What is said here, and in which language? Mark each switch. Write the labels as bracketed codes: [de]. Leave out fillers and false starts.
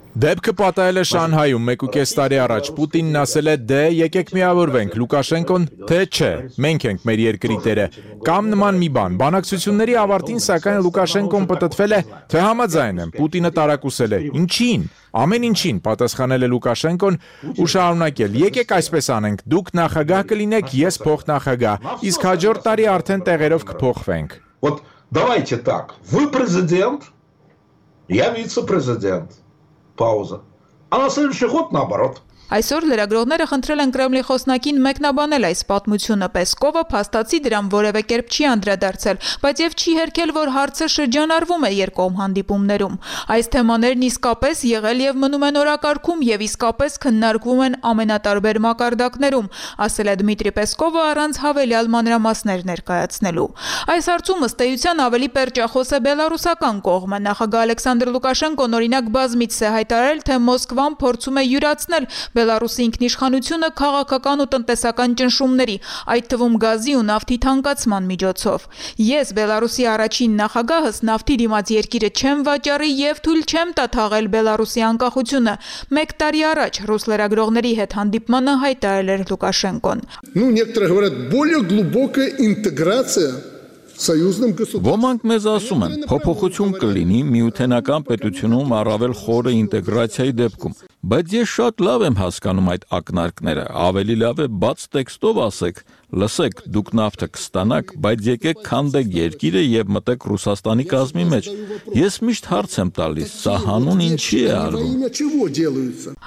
[hy] Դեպքը պատահել է Շանհայում 1.5 տարի առաջ։ Պուտինն ասել է, դե եկեք միավորվենք, Լուկաշենկոն, թե չէ, մենք ենք մեր երկրի տերը, կամ նման մի բան։ Բանակցությունների ավարտին, սակայն, Լուկաշենկոն պտտվել է, թե համաձայն եմ, Պուտինը տարակուսել է, ինչին, ամեն ինչին, պատասխանել է Լուկաշենկոն ու շարունակել, եկեք այսպես անենք, դուք նախագահ կլինեք, ես փոխնախագահ, իսկ հաջորդ տարի արդեն տեղերով կփոխվենք։ [ru] Вот давайте так, вы президент, я вице-президент. Пауза. А на следующий год наоборот. [hy] Այսօր լրագրողները խնդրել են Կրեմլի խոսնակին մեկնաբանել այս պատմությունը, Պեսկովը փաստացի դրան որևէ կերպ չի անդրադարձել, բայց եւ չի հերքել, որ հարցը շրջանառվում է երկկողմ հանդիպումներում։ Այս թեմաներն իսկապես եղել եւ մնում են օրակարգում եւ իսկապես քննարկվում են ամենատարբեր մակարդակներում, ասել է Դմիտրի Պեսկովը առանց հավելյալ մանրամասներ ներկայացնելու։ Այս հարցում ըստ էության ավելի պերճախոս է բելարուսական կողմը։ Նախագահ Ալեքսանդր Լուկաշենկոն օրինակ բազմից է հայտարարել, թե Մոսկվան փորձում է յուրացնել Բելարուսի ինքնիշխանությունը քաղաքական ու տնտեսական ճնշումների, այդ թվում գազի ու նավթի թանկացման միջոցով։ Ես, Բելարուսի առաջին նախագահս, նավթի դիմաց երկիրը չեմ վաճառի և թույլ չեմ տա թաղել Բելարուսի անկախությունը, մեկ տարի առաջ ռուս լրագրողների հետ հանդիպմանը հայտարարել էր Լուկաշենկոն։ [ru] Ну, некоторые говорят, более глубокая интеграция [hy] Ոմանք մեզ ասում են, փոփոխություն կլինի միութենական պետությունում առավել խորը ինտեգրացիայի դեպքում, բայց ես շատ լավ եմ հասկանում այդ ակնարկները, ավելի լավ է բաց տեքստով ասեք, լսեք, դուք նավթը կստանաք, բայց եկեք քանդեք երկիրը եւ մտեք Ռուսաստանի կազմի մեջ։ Ես միշտ հարց եմ տալիս, սա հանուն ինչի է արվում։